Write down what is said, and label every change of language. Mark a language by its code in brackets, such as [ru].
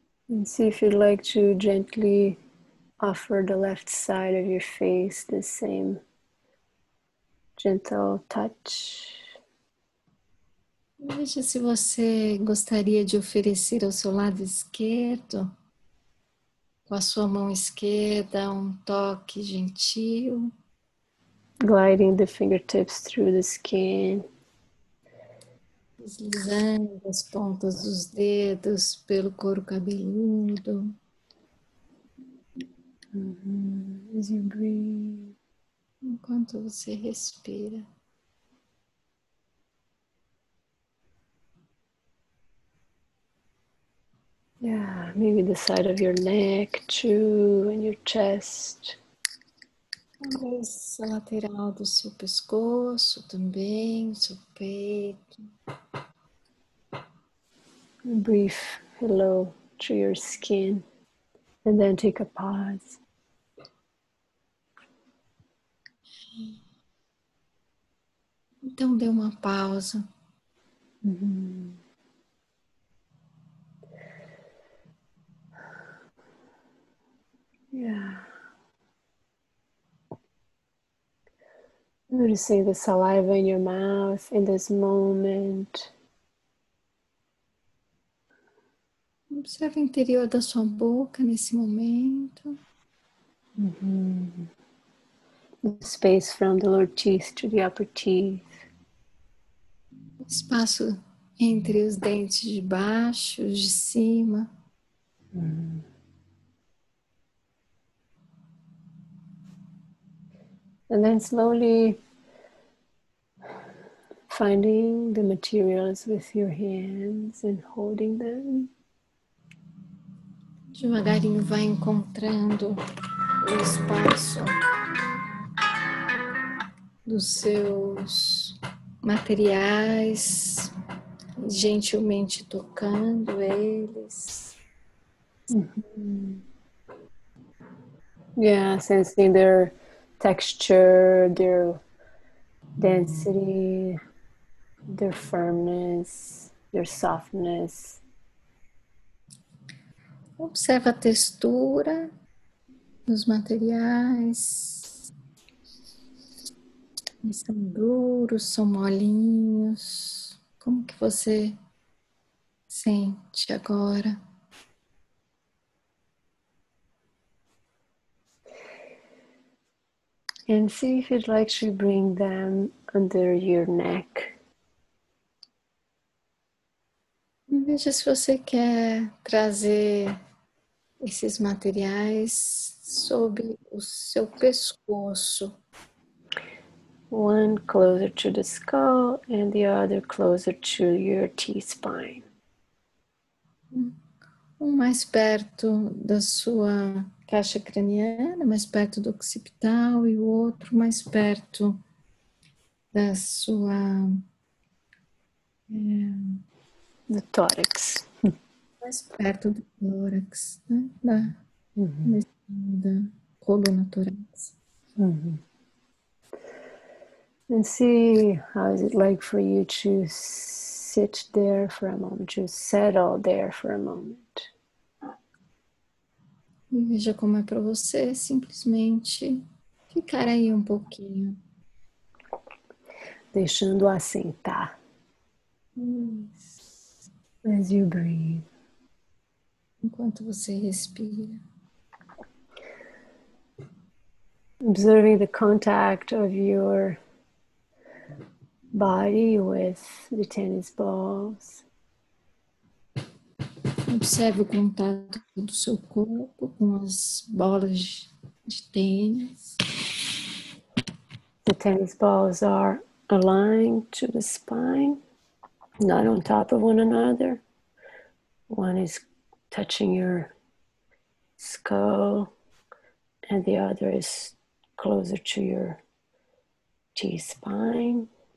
[en] And see if you'd like to gently offer the left side of your face the same gentle touch. [pt] Veja se você gostaria de oferecer ao seu lado esquerdo, com a sua mão esquerda, um toque gentil. [en] Gliding the fingertips through the skin. [pt] Deslizando as pontas dos dedos pelo couro cabeludo. [en] As you breathe. [pt] Enquanto você respira. [en] Yeah, maybe the side of your neck too, and your chest. [pt] Talvez a lateral do seu pescoço também, seu peito. [en] A brief hello to your skin, and then take a pause. [pt] Então dê uma pausa. Yeah. [en] Noticing the saliva in your mouth in this moment. [pt] Observe o interior da sua boca nesse momento. [en] The space from the lower teeth to the upper teeth. [pt] Espaço entre os dentes de baixo, de cima. [en] And then slowly finding the materials with your hands and holding them. [pt] Devagarinho vai encontrando o espaço dos seus materiais, gentilmente tocando eles. [en] Yeah, sensing their texture, their density, their firmness, their softness. [pt] Observa a textura dos materiais. Eles são duros, são molinhos. Como que você sente agora? [en] And see if you'd like to bring them under your neck. [pt] Veja se você quer trazer esses materiais sobre o seu pescoço. [en] One closer to the skull and the other closer to your T-spine. [pt] Um mais perto da sua caixa craniana, mais perto do occipital, e o outro mais perto da sua... do tórax. Mais perto do tórax, né? Da, da coluna tórax. [en] And see how is it like for you to sit there for a moment, to settle there for a moment. [pt] E veja como é para você simplesmente ficar aí um pouquinho. Deixando assentar. Isso. [en] As you breathe. [pt] Enquanto você respira. [en] Observing the contact of your body with the tennis balls. [pt] Observe o contato do seu corpo com as bolas de tênis. [en] The tennis balls are aligned to the spine, not on top of one another. One is touching your skull and the other is closer to your T-spine.